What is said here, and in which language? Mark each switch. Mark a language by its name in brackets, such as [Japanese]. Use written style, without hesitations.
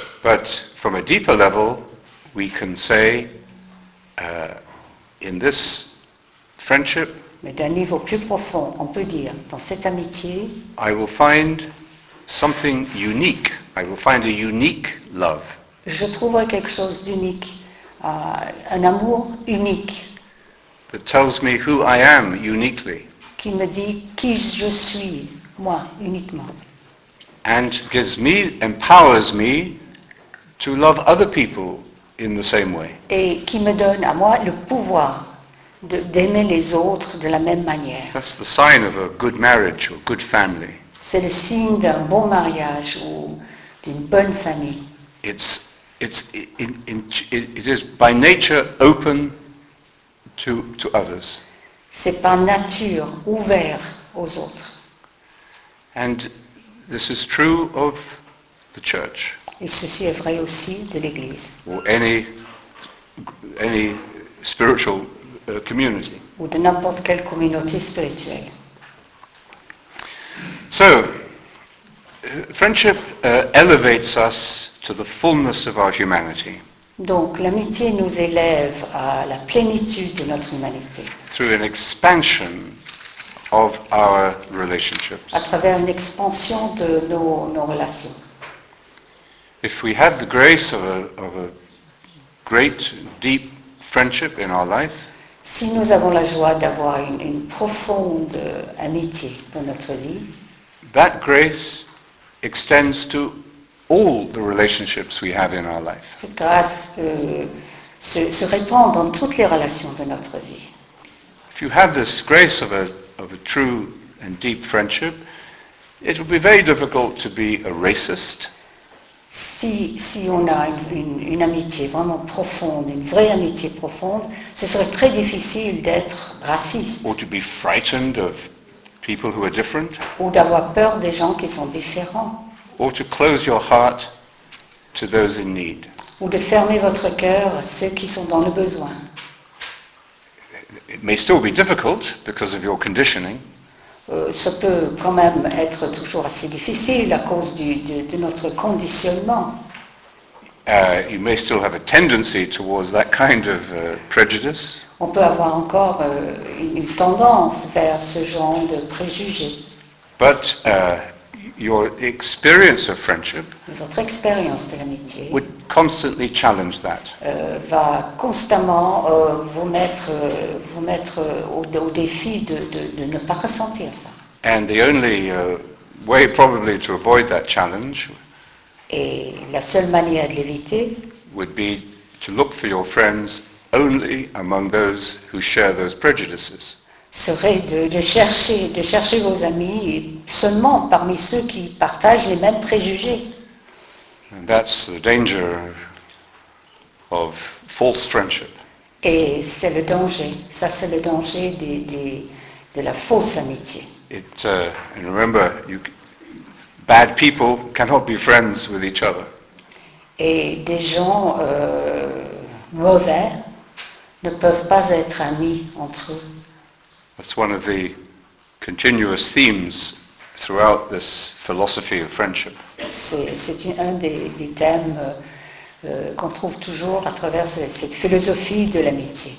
[English] But from a deeper level, we can say, in this friendship, [French] mais d'un niveau plus profond, on peut dire, dans cette amitié, [English] I will find something unique. I will find a unique love. [French] Je trouverai quelque chose d'unique, un amour unique. [English] That tells me who I am uniquely. [French] Qui me dit qui je suis, moi, uniquement. [English] And gives me, empowers me to love other people in the same way. [French] Et qui me donne à moi le pouvoir d'aimer les autres de la même manière. [English] That's the sign of a good marriage or good family. [French] C'est le signe d'un bon mariage ou d'une bonne famille. [English] It is by nature open to others. [French] C'est par nature ouvert aux autres. [English] And this is true of the church. [French] Et ceci est vrai aussi de l'Église. [English] Or any spiritual community. [French] Ou de n'importe quelle communauté spirituelle. [English] So, friendship elevates us to the fullness of our humanity. [French] Donc, l'amitié nous élève à la plénitude de notre humanité. [English] Through an expansion of our relationships. [French] À travers une expansion de nos relations. [English] If we have the grace of a great, deep friendship in our life, [French] Si nous avons la joie d'avoir une profonde amitié dans notre vie, [English] that grace extends to all the relationships we have in our life. [French] Cette grâce se répand dans toutes les relations de notre vie. [English] If you have this grace of a true and deep friendship, it will be very difficult to be a racist. [French] Si on a une amitié vraiment profonde, une vraie amitié profonde, ce serait très difficile d'être raciste. [English] Or to be frightened of people who are different. [French] Ou d'avoir peur des gens qui sont différents. [English] Or to close your heart to those in need. [French] Ou de fermer votre cœur à ceux qui sont dans le besoin. [English] It may still be difficult because of your conditioning. [French] Ça peut quand même être toujours assez difficile à cause de notre conditionnement. [English] You may still have a tendency towards that kind of prejudice. [French] On peut avoir encore une tendance vers ce genre de préjugés. [English] But your experience of friendship, [French] votre expérience de l'amitié, [English] would constantly challenge that. [French] Va constamment vous mettre au défi de ne pas ressentir ça. [English] And the only way probably to avoid that challenge, [French] et la seule manière de l'éviter, [English] would be to look for your friends only among those who share those prejudices. [French] Serait de chercher vos amis seulement parmi ceux qui partagent les mêmes préjugés. [English] And that's the danger of false friendship. [French] Et c'est le danger. Ça, c'est le danger de la fausse amitié. [English] And remember, bad people cannot be friends with each other. [French] Et des gens mauvais ne peuvent pas être amis entre eux. [English] That's one of the continuous themes throughout this philosophy of friendship. [French] C'est un des thèmes qu'on trouve toujours à travers cette philosophie de l'amitié.